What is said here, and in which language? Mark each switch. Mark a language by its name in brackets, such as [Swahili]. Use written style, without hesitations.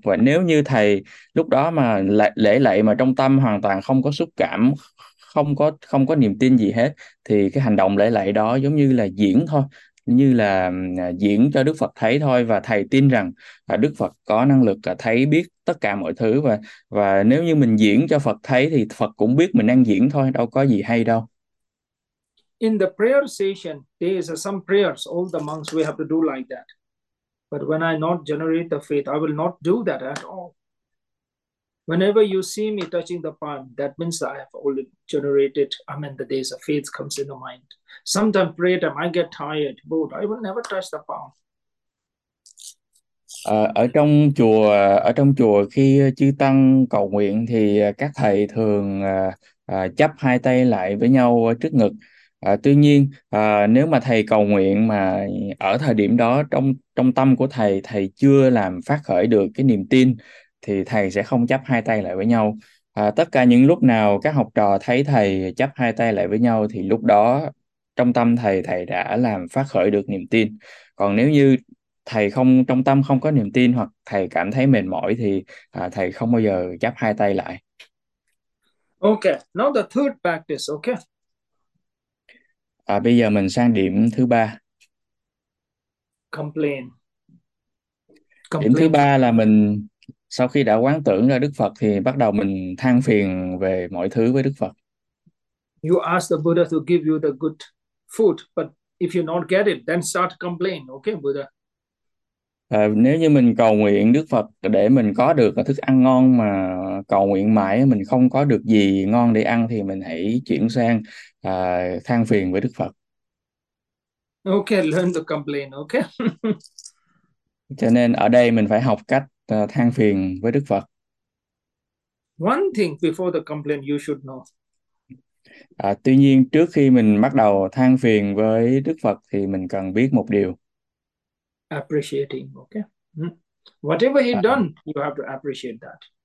[Vietnamese] Và nếu như thầy lúc đó mà lễ lạy mà trong tâm hoàn toàn không có xúc cảm, không có niềm tin gì hết, thì cái hành động lễ lạy đó giống như là diễn thôi, như là diễn cho Đức Phật thấy thôi, và thầy tin rằng là Đức Phật có năng lực thấy biết tất cả mọi thứ, và nếu như mình diễn cho Phật thấy thì Phật cũng biết mình đang diễn thôi, đâu có gì hay đâu. [English] In the prayer session, there is some prayers, all the monks we have to do like that. But when I not generate the faith, I will not do that at all. Whenever you see me touching the palm, that means that I have already generated, I mean, the days of faith comes in the mind. Sometimes prayer time, I get tired, but I will never touch the palm. [Vietnamese] Ở trong chùa khi chư tăng cầu nguyện thì các thầy thường chắp hai tay lại với nhau trước ngực. Tuy nhiên nếu mà thầy cầu nguyện mà ở thời điểm đó trong trong tâm của thầy thầy chưa làm phát khởi được cái niềm tin thì thầy sẽ không chắp hai tay lại với nhau. Tất cả những lúc nào các học trò thấy thầy chắp hai tay lại với nhau thì lúc đó trong tâm thầy thầy đã làm phát khởi được niềm tin. Còn nếu như thầy không trong tâm không có niềm tin hoặc thầy cảm thấy mệt mỏi thì thầy không bao giờ chắp hai tay lại. [English] Okay, now the third practice, okay. [Vietnamese] Bây giờ mình sang điểm thứ ba. [English] Complain. [Vietnamese] Điểm thứ [English] Complaining. [Vietnamese] ba là mình sau khi đã quán tưởng ra Đức Phật thì bắt đầu mình than phiền về mọi thứ với Đức Phật. [English] You ask the Buddha to give you the good food, but if you not get it, then start complain, okay, Buddha. [Vietnamese] Nếu như mình cầu nguyện Đức Phật để mình có được thức ăn ngon mà cầu nguyện mãi mình không có được gì ngon để ăn thì mình hãy chuyển sang than phiền với Đức Phật. [English] Okay, learn to complain, okay? [Vietnamese] Cho nên ở đây mình phải học cách than phiền với Đức Phật. [English] One thing before the complaint you should know. [Vietnamese] Tuy nhiên trước khi mình bắt đầu than phiền với Đức Phật thì mình cần biết một điều. [English] Appreciating, okay? Whatever he done, you have to appreciate that.